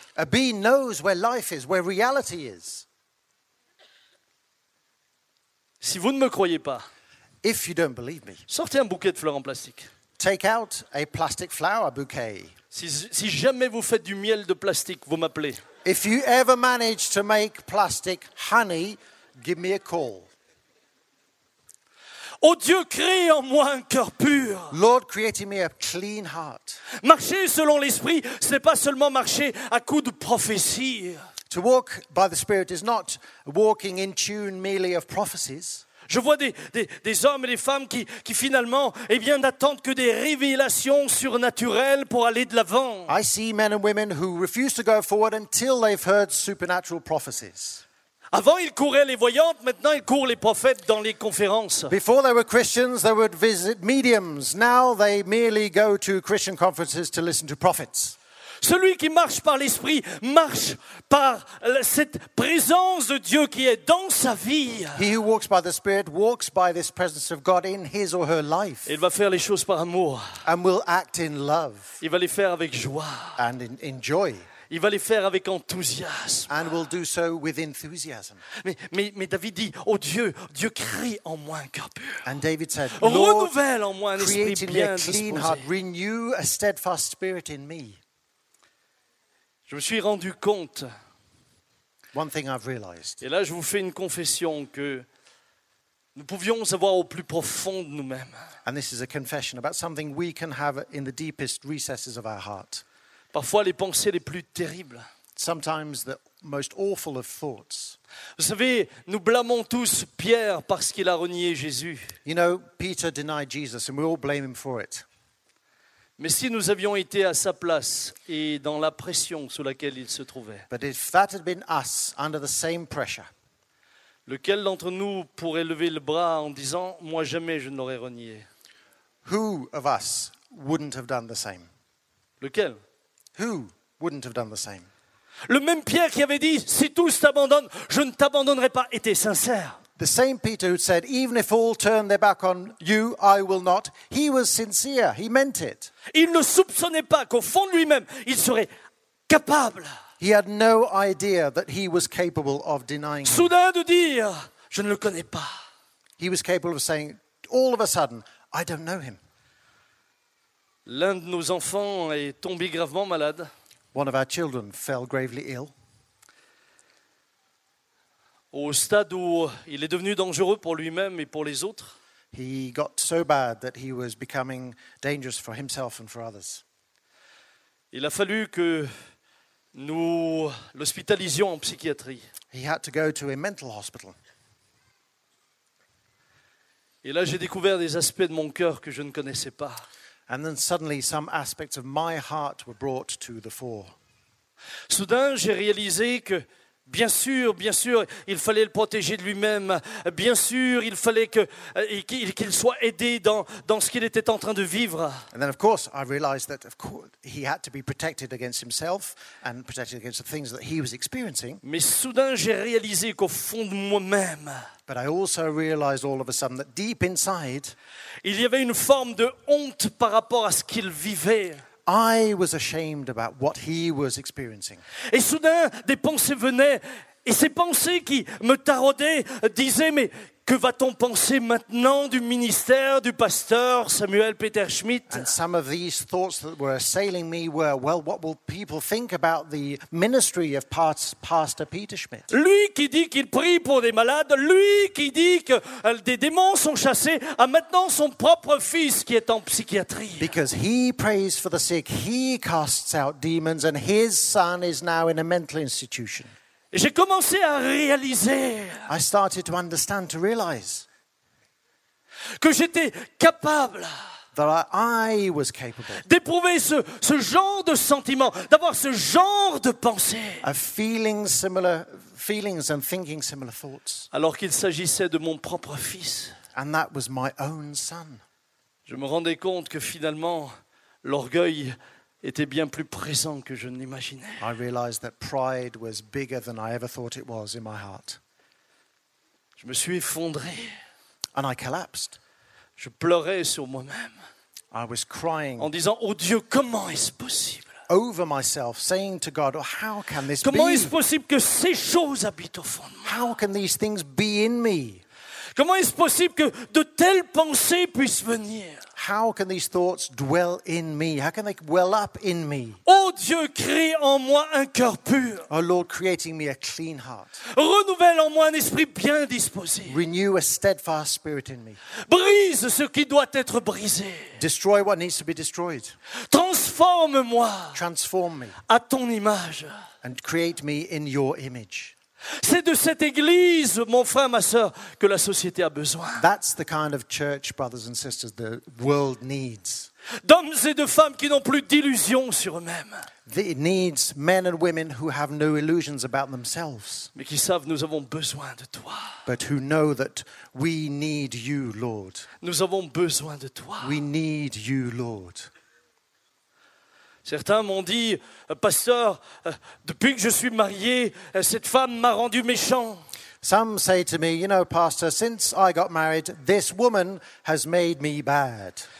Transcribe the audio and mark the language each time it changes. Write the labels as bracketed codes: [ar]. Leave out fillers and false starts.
[en] A bee knows where life is, where reality is. [fr] Si vous ne me croyez pas, [en] if you don't believe me, [fr] sortez un bouquet de fleurs en plastique. [en] Take out a plastic flower bouquet. [fr] Si jamais vous faites du miel de plastique, vous m'appelez. [en] If you ever manage to make plastic honey, give me a call. [fr] Oh Dieu, crée en moi un cœur pur. [en] Lord, create in me a clean heart. [fr] Marcher selon l'esprit, ce n'est pas seulement marcher à coups de prophétie. [en] To walk by the Spirit is not walking in tune merely of prophecies. [fr] Je vois des hommes et des femmes qui finalement, eh bien, n'attendent que des révélations surnaturelles pour aller de l'avant. [en] I see men and women who refuse to go forward until they've heard supernatural prophecies. [fr] Avant, ils couraient les voyantes, maintenant ils courent les prophètes dans les conférences. [en] Before they were Christians, they would visit mediums. Now they merely go to Christian conferences to listen to prophets. [fr] Celui qui marche par l'Esprit marche par cette présence de Dieu qui est dans sa vie. [en] He who walks by the Spirit walks by this presence of God in his or her life. [fr] Il va faire les choses par amour. [en] And will act in love. [fr] Il va les faire avec joie. [en] And in joy. [fr] Il va les faire avec enthousiasme. [en] And will do so with enthusiasm. [fr] Mais David dit, oh Dieu crée en moi un cœur pur. [en] And David said, [fr] renouvelle en moi un esprit bien disposé. [en] Create in me a clean heart, renew a steadfast spirit in me. [fr] Je me suis rendu compte. [en] One thing I've realized. [fr] Et là, je vous fais une confession que nous pouvions avoir au plus profond de nous-mêmes. [en] And this is a confession about something we can have in the deepest recesses of our heart. [fr] Parfois, les pensées les plus terribles. [en] Sometimes the most awful of thoughts. [fr] Vous savez, nous blâmons tous Pierre parce qu'il a renié Jésus. [en] You know, Peter denied Jesus, and we all blame him for it. [fr] Mais si nous avions été à sa place et dans la pression sous laquelle il se trouvait. [en] But if that had been us under the same pressure. [fr] Lequel d'entre nous pourrait lever le bras en disant moi jamais je ne l'aurais renié? [en] Who of us wouldn't have done the same? [fr] Lequel? [en] Who wouldn't have done the same? [fr] Le même Pierre qui avait dit si tous t'abandonnent, je ne t'abandonnerai pas était sincère. [en] The same Peter who said, even if all turn their back on you, I will not. He was sincere. He meant it. [fr] Il ne soupçonnait pas qu'au fond de lui-même, il serait capable. [en] He had no idea that he was capable of denying [fr] Soudain [en] him. [fr] De dire, je ne le connais pas. [en] He was capable of saying, all of a sudden, I don't know him. [fr] L'un de nos enfants est tombé gravement malade. [en] One of our children fell gravely ill. [fr] Au stade où il est devenu dangereux pour lui-même et pour les autres. [en] He got so bad that he was becoming dangerous for himself and for others. [fr] Il a fallu que nous l'hospitalisions en psychiatrie. [en] He had to go to a mental hospital. [fr] Et là, j'ai découvert des aspects de mon cœur que je ne connaissais pas. [en] And then suddenly some aspects of my heart were brought to the fore. [fr] Soudain, j'ai réalisé que Bien sûr, il fallait le protéger de lui-même. Bien sûr, il fallait qu'il soit aidé dans ce qu'il était en train de vivre. [en] And then, of course, I realized that of course he had to be protected against himself and protected against the things that he was experiencing. [fr] Mais soudain, j'ai réalisé qu'au fond de moi-même. [en] But I also realized all of a sudden that deep inside, [fr] il y avait une forme de honte par rapport à ce qu'il vivait. [en] I was ashamed about what he was experiencing. [fr] Et soudain, des pensées venaient, et ces pensées qui me taraudaient disaient, mais Que va-t-on penser maintenant du ministère du pasteur Samuel Peter Schmidt? [en] And some of these thoughts that were assailing me were, well, what will people think about the ministry of Pastor Peter Schmidt? [fr] Lui qui dit qu'il prie pour des malades, lui qui dit que des démons sont chassés, a maintenant son propre fils qui est en psychiatrie. [en] Because he prays for the sick, he casts out demons, and his son is now in a mental institution. [fr] J'ai commencé à réaliser [en] I started to understand, to realize [fr] que j'étais capable [en] that I was capable [fr] d'éprouver ce genre de sentiment, d'avoir ce genre de pensée. [en] A feeling similar feelings and thinking similar thoughts. [fr] Alors qu'il s'agissait de mon propre fils. [en] And that was my own son. [fr] Je me rendais compte que finalement, l'orgueil était bien plus présent que je ne l'imaginais. [en] I realized that pride was bigger than I ever thought it was in my heart. [fr] Je me suis effondré. [en] And I collapsed. [fr] Je pleurais sur moi-même. [en] I was crying. [fr] En disant, oh Dieu, comment est-ce possible? [en] Over myself, saying to God, oh, how can this [fr] comment Comment est-ce possible que ces choses habitent au fond de moi? [en] How can these things be in me? [fr] Comment est-ce possible que de telles pensées puissent venir? [en] How can these thoughts dwell in me? How can they well up in me? [fr] Oh Dieu, crée en moi un cœur pur. [en] Oh Lord, creating me a clean heart. [fr] Renouvelle en moi un esprit bien disposé. [en] Renew a steadfast spirit in me. [fr] Brise ce qui doit être brisé. [en] Destroy what needs to be destroyed. [fr] Transforme-moi. [en] Transform me. [fr] À ton image. [en] And create me in your image. [fr] C'est de cette église, mon frère, ma sœur, que la société a besoin. [en] That's the kind of church, brothers and sisters, the world needs. [fr] D'hommes et de femmes qui n'ont plus d'illusions sur eux-mêmes. [en] It needs men and women who have no illusions about themselves. [fr] Mais qui savent nous avons besoin de toi. [en] But who know that we need you, Lord. [fr] Nous avons besoin de toi. [en] We need you, Lord. [fr] Certains m'ont dit, pasteur, depuis que je suis marié, cette femme m'a rendu méchant. [en] Some say to me, you know, pastor, since I got married, this woman has made me bad.